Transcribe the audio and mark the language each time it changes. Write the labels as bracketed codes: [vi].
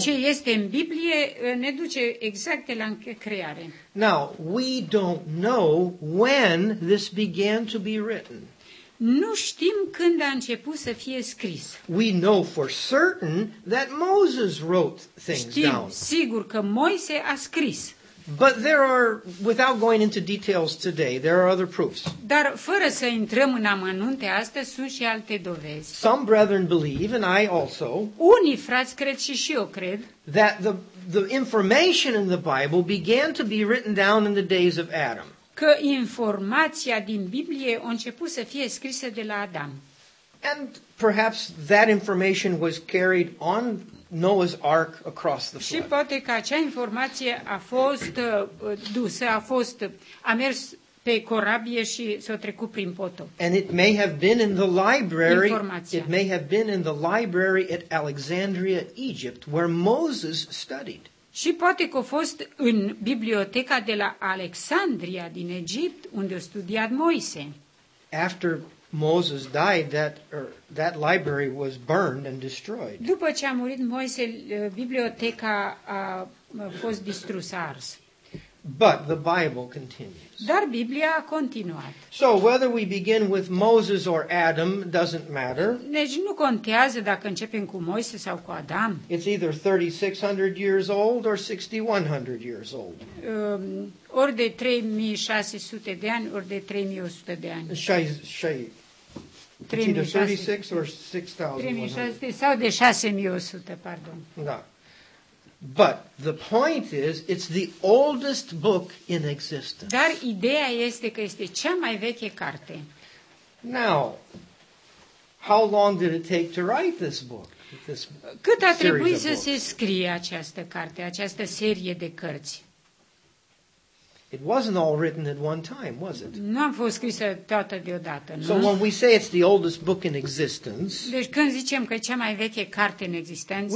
[ro] Ce este în Biblie ne duce exact la creare. [en] Now, we don't know when this began to be written. [ro] Nu știm când a început să fie scris. [en] We know for certain that Moses wrote things [ro] știm [en] down. [ro] Știm sigur că Moise a scris. [en] But there are, without going into details today, there are other proofs. [ro] Dar fără să intrăm în amănunte astăzi, sunt și alte dovezi. [en] Some brethren believe, and I also, [ro] unii frați cred și eu cred, [en] that the information in the Bible began to be written down in the days of Adam. [ro] Că informația din Biblie a început să fie scrisă de la Adam. [en] And perhaps that information was carried on Noah's ark across the flood. [ro] Și poate că acea informație a fost dusă, a mers pe corabie și s-a trecut prin potop. [en] And it may have been in the library. [ro] Informația. [en] It may have been in the library at Alexandria, Egypt, where Moses studied. [ro] Și poate că a fost în biblioteca de la Alexandria din Egipt, unde a studiat Moise. [en] After Moses died, that library was burned and destroyed. [ro] După ce a murit Moise, biblioteca a fost distrusă, ars. [en] But the Bible continues. [ro] Dar Biblia a continuat. [en] So whether we begin with Moses or Adam doesn't matter. [ro] Deci nu contează dacă începem cu Moise sau cu Adam. [en] It's either 3600 years old or 6100 years old. [ro] Ori de 3600 de ani, ori de 3100 de ani. Și 36 or 6100. 6100, pardon. Da. [en] But the point is, it's the oldest book in existence. [ro] Dar ideea este că este cea mai veche carte. [en] Now, how long did it take to write this book? [ro] Cât a trebuit să se scrie această carte, această serie de cărți? [en] It wasn't all written at one time, was it? [ro] Nu a fost scrisă toată deodată, nu? [en] So when we say it's the oldest book in existence, [ro] deci când zicem că e cea mai veche carte în existență,